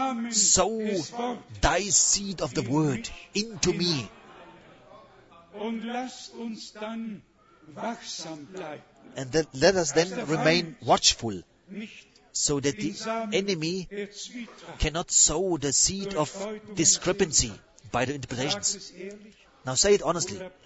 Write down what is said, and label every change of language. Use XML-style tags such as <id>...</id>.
<en>Sow thy seed of the word into me.</en> <de>And lass uns dann wachsam bleiben.</de> <en>And that let us then remain watchful, so that the enemy cannot sow the seed of discrepancy by the interpretations. Now say it honestly.</en>